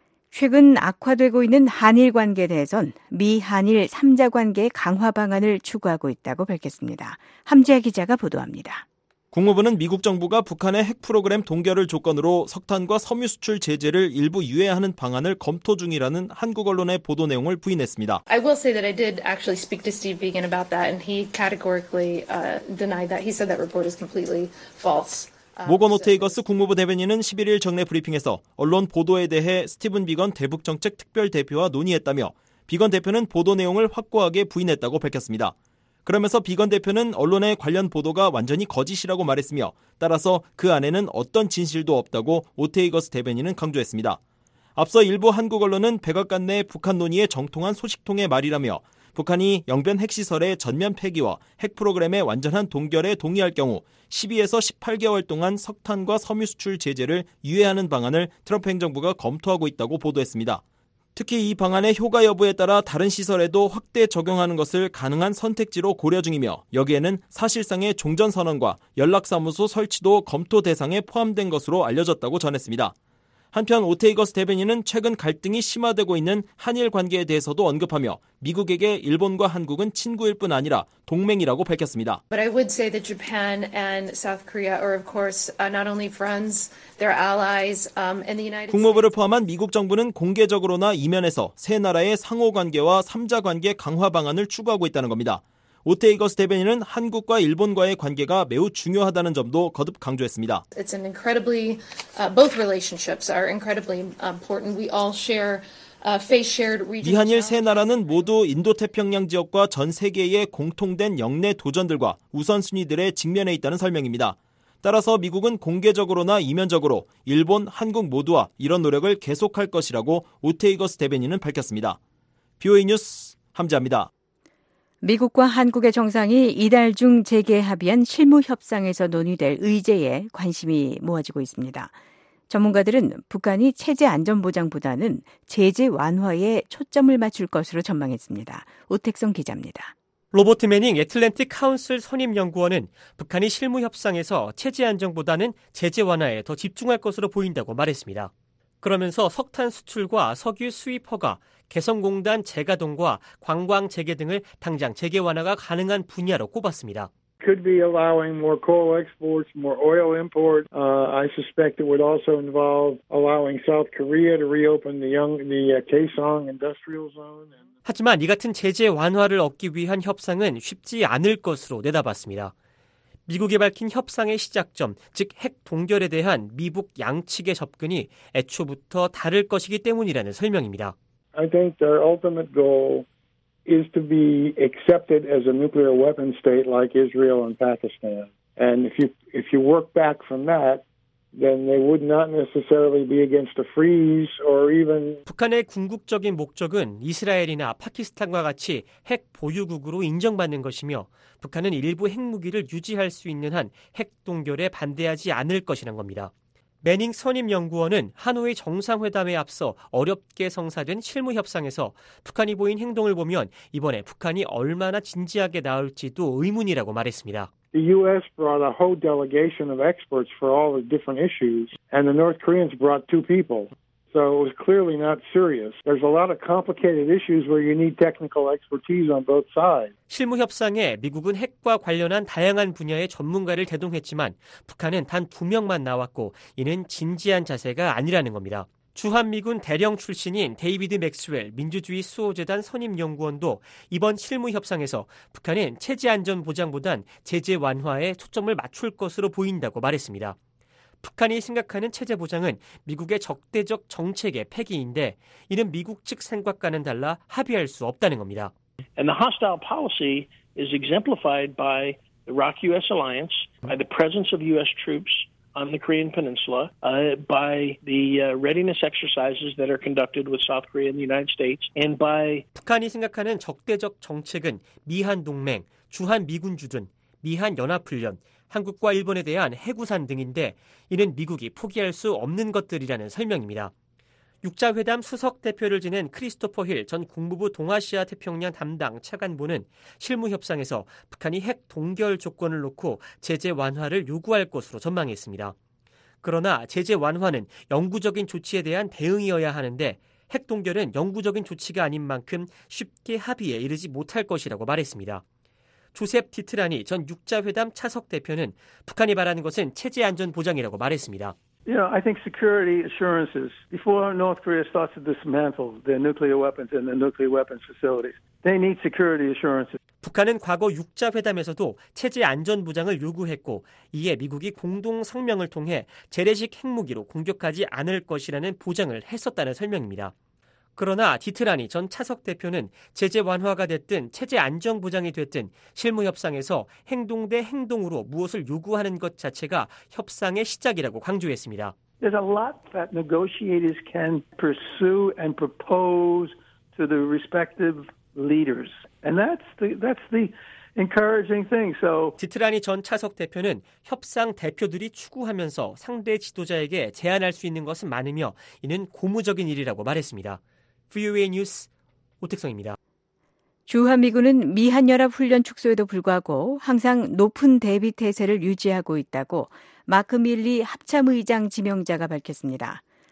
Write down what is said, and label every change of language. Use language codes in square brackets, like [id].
[ko] 최근 악화되고 있는 한일 관계에 대해선 미 한일 3자 관계 강화 방안을 추구하고 있다고 밝혔습니다. 함재아 기자가 보도합니다. 국무부는 미국 정부가 북한의 핵 프로그램 동결을 조건으로 석탄과 섬유 수출 제재를 일부 유예하는 방안을 검토 중이라는 한국 언론의 보도 내용을 부인했습니다. [en] I will say that I did actually speak to Steve Beegan about that and he categorically denied that. He said that report is completely false. [ko] 모건 오테이거스 국무부 대변인은 11일 정례 브리핑에서 언론 보도에 대해 스티븐 비건 대북정책특별대표와 논의했다며 비건 대표는 보도 내용을 확고하게 부인했다고 밝혔습니다. 그러면서 비건 대표는 언론의 관련 보도가 완전히 거짓이라고 말했으며 따라서 그 안에는 어떤 진실도 없다고 오테이거스 대변인은 강조했습니다. 앞서 일부 한국 언론은 백악관 내 북한 논의의 정통한 소식통의 말이라며 북한이 영변 핵시설의 전면 폐기와 핵 프로그램의 완전한 동결에 동의할 경우 12에서 18개월 동안 석탄과 섬유 수출 제재를 유예하는 방안을 트럼프 행정부가 검토하고 있다고 보도했습니다. 특히 이 방안의 효과 여부에 따라 다른 시설에도 확대 적용하는 것을 가능한 선택지로 고려 중이며 여기에는 사실상의 종전선언과 연락사무소 설치도 검토 대상에 포함된 것으로 알려졌다고 전했습니다. 한편 오테이거스 대변인은 최근 갈등이 심화되고 있는 한일 관계에 대해서도 언급하며 미국에게 일본과 한국은 친구일 뿐 아니라 동맹이라고 밝혔습니다. [en] But I would say that Japan and South Korea are of course not only friends, they're allies and the United States. [ko] 국무부를 포함한 미국 정부는 공개적으로나 이면에서 세 나라의 상호 관계와 3자 관계 강화 방안을 추구하고 있다는 겁니다. 오테이거스 대변인은 한국과 일본과의 관계가 매우 중요하다는 점도 거듭 강조했습니다. [en] It's an incredibly both relationships are incredibly important. We all share face shared region. [ko] 미한일 세 나라는 모두 인도태평양 지역과 전 세계의 공통된 역내 도전들과 우선순위들에 직면해 있다는 설명입니다. 따라서 미국은 공개적으로나 이면적으로 일본, 한국 모두와 이런 노력을 계속할 것이라고 오테이거스 대변인은 밝혔습니다. BOA 뉴스 함재아입니다. 미국과 한국의 정상이 이달 중 재개 합의한 실무 협상에서 논의될 의제에 관심이 모아지고 있습니다. 전문가들은 북한이 체제 안전보장보다는 제재 완화에 초점을 맞출 것으로 전망했습니다. 오택성 기자입니다. 로버트 매닝 애틀랜틱 카운슬 선임연구원은 북한이 실무협상에서 체제 안정보다는 제재 완화에 더 집중할 것으로 보인다고 말했습니다. 그러면서 석탄 수출과 석유 수입 허가, 개성공단 재가동과 관광 재개 등을 당장 재개 완화가 가능한 분야로 꼽았습니다. [en] Could be allowing more coal exports, more oil imports. I suspect it would also involve allowing South Korea to reopen the Kaesong industrial zone. [ko] 하지만 이 같은 제재 완화를 얻기 위한 협상은 쉽지 않을 것으로 내다봤습니다. 미국이 밝힌 협상의 시작점, 즉 핵 동결에 대한 미북 양측의 접근이 애초부터 다를 것이기 때문이라는 설명입니다. [en] I think their ultimate goal is to be accepted as a nuclear weapon state like Israel and Pakistan. And if you work back from that, then they would not necessarily be against a freeze or even [ko] 북한의 궁극적인 목적은 이스라엘이나 파키스탄과 같이 핵 보유국으로 인정받는 것이며 북한은 일부 핵무기를 유지할 수 있는 한 핵 동결에 반대하지 않을 것이란 겁니다. 매닝 선임연구원은 하노이 정상회담에 앞서 어렵게 성사된 실무협상에서 북한이 보인 행동을 보면 이번에 북한이 얼마나 진지하게 나올지도 의문이라고 말했습니다. [en] The U.S. brought a whole delegation of experts for all the different issues, and the North Koreans brought two people. So it was clearly not serious. There's a lot of complicated issues where you need technical expertise on both sides. [ko] 실무 협상에 미국은 핵과 관련한 다양한 분야의 전문가를 대동했지만 북한은 단 두 명만 나왔고 이는 진지한 자세가 아니라는 겁니다. 주한미군 대령 출신인 데이비드 맥스웰 민주주의 수호재단 선임연구원도 이번 실무협상에서 북한은 체제 안전 보장보단 제재 완화에 초점을 맞출 것으로 보인다고 말했습니다. 북한이 생각하는 체제 보장은 미국의 적대적 정책의 폐기인데 이는 미국 측 생각과는 달라 합의할 수 없다는 겁니다. [en] And the hostile policy is exemplified by the Iraq-U.S. alliance, by the presence of U.S. troops on the Korean Peninsula, by the readiness exercises that are conducted with South Korea and the United States, and by [ko] 북한이 생각하는 적대적 정책은 미한 동맹, 주한 미군 주둔, 미한 연합 훈련, 한국과 일본에 대한 해구산 등인데 이는 미국이 포기할 수 없는 것들이라는 설명입니다. 육자회담 수석 대표를 지낸 크리스토퍼 힐 전 국무부 동아시아 태평양 담당 차관보는 실무 협상에서 북한이 핵 동결 조건을 놓고 제재 완화를 요구할 것으로 전망했습니다. 그러나 제재 완화는 영구적인 조치에 대한 대응이어야 하는데 핵 동결은 영구적인 조치가 아닌 만큼 쉽게 합의에 이르지 못할 것이라고 말했습니다. 조셉 디트라니 전 육자회담 차석 대표는 북한이 바라는 것은 체제 안전 보장이라고 말했습니다. [en] You know, I think security assurances before North Korea starts to dismantle their nuclear weapons and their nuclear weapons facilities. They need security assurances. [ko] 북한은 과거 육자회담에서도 체제 안전 보장을 요구했고 이에 미국이 공동 성명을 통해 재래식 핵무기로 공격하지 않을 것이라는 보장을 했었다는 설명입니다. 그러나 디트라니 전 차석 대표는 제재 완화가 됐든 체제 안정 보장이 됐든 실무 협상에서 행동 대 행동으로 무엇을 요구하는 것 자체가 협상의 시작이라고 강조했습니다. [en] There's a lot that negotiators can pursue and propose to the respective leaders. And that's the encouraging thing. So [ko] 디트라니 전 차석 대표는 협상 대표들이 추구하면서 상대 지도자에게 제안할 수 있는 것은 많으며 이는 고무적인 일이라고 말했습니다. VOA 뉴스 오택성입니다. 주한미군은 미한연합훈련 축소에도 불구하고 항상 높은 대비태세를 유지하고 있다고 마크 밀리 합참의장 지명자가 밝혔습니다.